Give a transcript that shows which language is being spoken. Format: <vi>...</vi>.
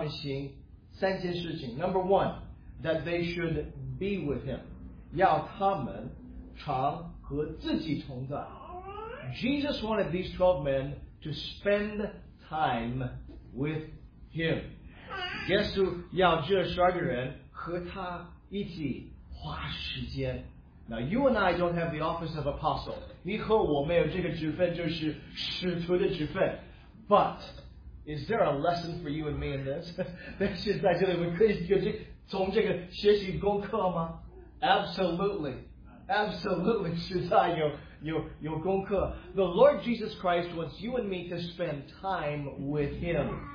<zh>和自己等等，你看他说呀，这个字很重要呀。他为什么设立他们？为什么呼召他们？为什么拣选这十二个人来到他那里跟随他为他的使徒呢？他要他们行三件事情。</zh> <en>Number one, that they should be with him.</en> <zh>要他们常和自己同在。</zh> <en>Jesus wanted these 12 men to spend time with Him.</en> <zh>耶稣要这十二个人和他一起花时间.</zh> <en>Now you and I don't have the office of apostle.</en> <zh>你和我没有这个职分就是使徒的职分.</zh> <en>But is there a lesson for you and me in this?</en> <zh>但是在这里我们可以从这个学习功课吗?</zh> <en>Absolutely. Absolutely.</en> <zh>实在有功课.</zh> <en>The Lord Jesus Christ wants you and me to spend time with Him.</en>